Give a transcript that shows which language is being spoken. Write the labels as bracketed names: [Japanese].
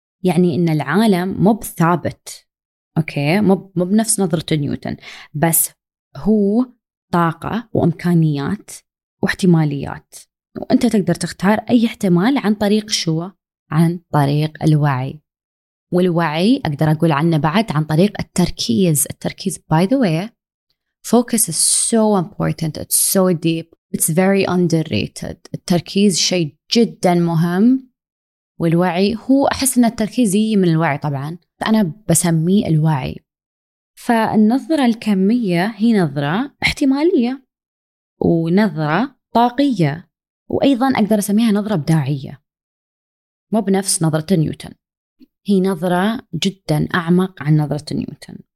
[Arabic] يعني أن العالم مو بثابت، أوكي، مو بنفس نظرة نيوتن، بس هو طاقة وإمكانيات واحتماليات، وأنت تقدر تختار أي احتمال عن طريق شو؟ عن طريق الوعي. والوعي أقدر أقول عنه بعد عن طريق التركيز. [English] التركيز by the way focus is so important, it's so deep, it's very underrated. [Arabic] التركيز شيء جدا مهم، والوعي هو أحس أن التركيز يجي من الوعي طبعا، فأنا بسميه الوعي. فالنظرة الكمية هي نظرة احتمالية ونظرة طاقية، وأيضا أقدر أسميها نظرة إبداعية، مو بنفس نظرة نيوتن، هي نظرة جدا أعمق عن نظرة نيوتن.